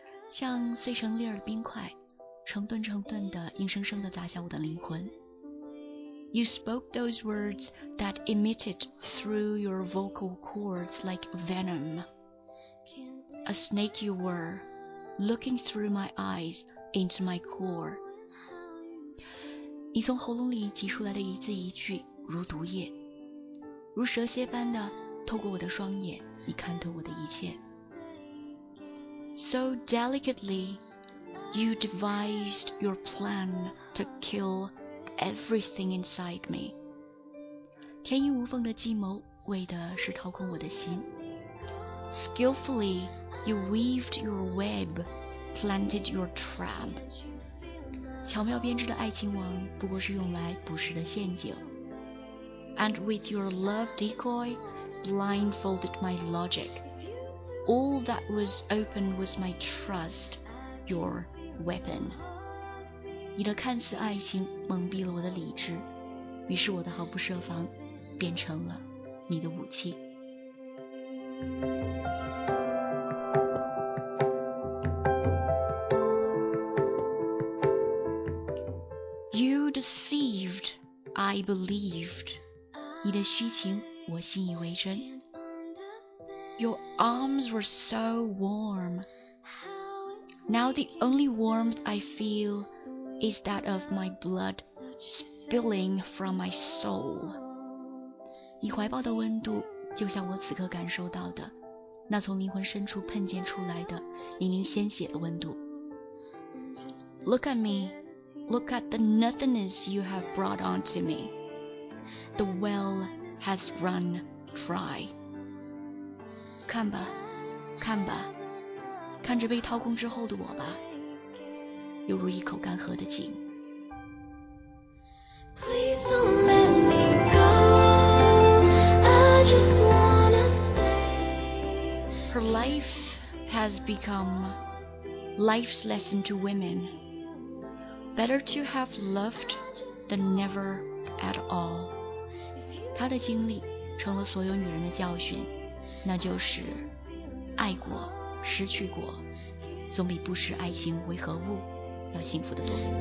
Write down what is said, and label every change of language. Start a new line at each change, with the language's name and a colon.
Chinese: 像碎成粒儿的冰块，成吨成吨的硬生生的砸向我的灵魂。
English: You spoke those words that emitted through your vocal cords like venom. A snake you were, looking through my eyes into my core.
Chinese: 你从喉咙里挤出来的一字一句如毒液，如蛇蝎般的透过我的双眼，你看透我的一切。
English: So delicately, you devised your plan to kill. Everything inside me.
Chinese: 天衣无缝的计谋，为的是掏空我的心。
English: Skillfully, you weaved your web, planted your trap.
Chinese: 巧妙编织的爱情网，不过是用来捕食的陷阱。
English: And with your love decoy, blindfolded my logic. All that was open was my trust, your weapon.
Chinese: 你的看似爱情蒙蔽了我的理智，于是我的毫不设防变成了你的武器。
English: You deceived, I believed.
Chinese: 你的虚情我信以为真。
English: Your arms were so warm. Now the only warmth I feel is that of my blood spilling from my soul.
Chinese: 你怀抱的温度就像我此刻感受到的，那从灵魂深处喷溅出来的淋漓鲜血的温度。
English: Look at me. Look at the nothingness you have brought onto me. The well has run dry.
Chinese: 看吧，看吧，看着被掏空之后的我吧，犹如一口干涸的井。
English: Please don't let me go. I just wanna stay. Her life has become life's lesson to women. Better to have loved than never at all.
Chinese: 她的经历成了所有女人的教训。那就是爱过失去过总比不识爱情为何物要幸福得多。